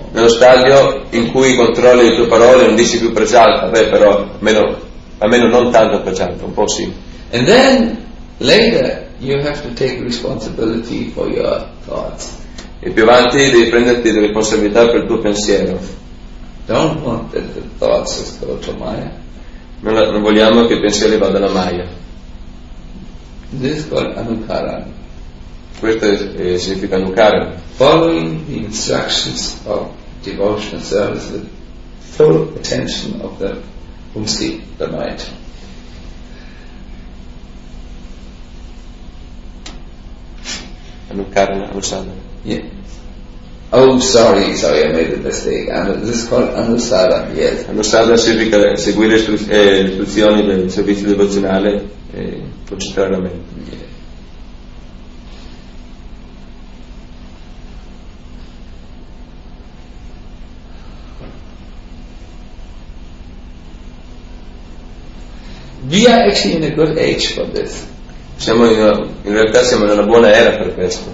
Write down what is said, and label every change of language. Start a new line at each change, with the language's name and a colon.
Italian: Nello stadio in cui controlli le tue parole non dici più prajata. Beh, però almeno non tanto prajata, un po' sì.
English: And then later you have to take responsibility for your thoughts.
Italian: E più avanti devi prenderti la responsabilità per il tuo pensiero.
English: Don't want that the thoughts just go to Maya.
Italian: Non vogliamo che i pensieri vadano a Maya.
English: This is called anukaran.
Italian: Questo significa anukaran.
English: Following the instructions of devotional service with full attention of the umsi, the mind.
Sanskrit: Anukarana anusadana.
English: Yeah. Oh, sorry, I made a mistake. This is called anusadana, yes.
Italian: Anusadana significa seguire le istruzioni del servizio devozionale e concentrare la mente. Yeah.
English: We are actually in a good age for this.
Italian: Siamo in realtà siamo in una buona era per questo.